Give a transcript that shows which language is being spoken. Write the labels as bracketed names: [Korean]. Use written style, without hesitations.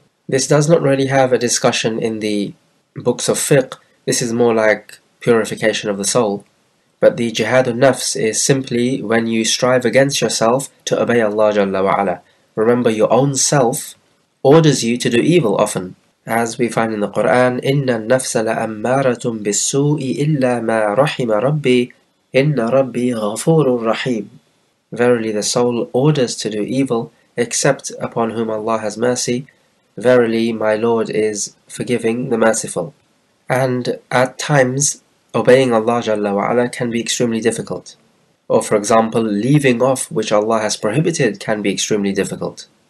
[English] This does not really have a discussion in the books of fiqh, this is more like purification of the soul. But the jihad al-nafs is simply when you strive against yourself to obey Allah Jalla wa'ala. Remember, your own self orders you to do evil often. As we find in the Qur'an, [Arabic] إِنَّ النَّفْسَ لَأَمَّارَةٌ بِالسُّوءِ إِلَّا مَا رَحِمَ رَبِّي إِنَّ رَبِّي غَفُورٌ رَحِيمٌ. [English] Verily, the soul orders to do evil except upon whom Allah has mercy. Verily, my Lord is forgiving the merciful. And at times, obeying Allah Jalla wa'ala can be extremely difficult. Or for example, leaving off which Allah has prohibited can be extremely difficult.